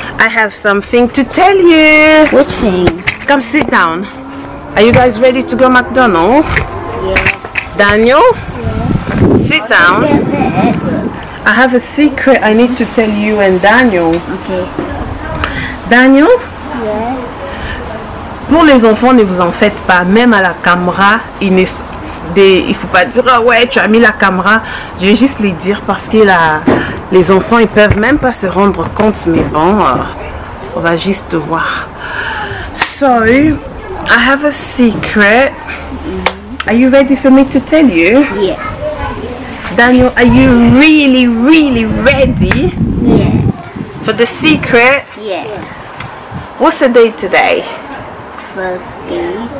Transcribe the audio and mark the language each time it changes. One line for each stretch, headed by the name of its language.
English: I have something to tell you. What thing? Come sit down. Are you guys ready to go McDonald's? Yeah. Daniel? Yeah. Sit down. I have a secret I need to tell you and Daniel. Okay. Daniel? Yeah.
French: Pour les enfants, ne vous en faites pas. Même à la caméra, ils ne sont il faut pas dire ah ouais tu as mis la caméra. Je vais juste les dire parce que là, les enfants ils peuvent même pas se rendre compte, mais bon, on va juste voir.
English: So I have a secret. Are you ready for me to tell you? Yeah. Daniel, are you really, really ready? Yeah. For the secret? Yeah. What's the day today? Thursday.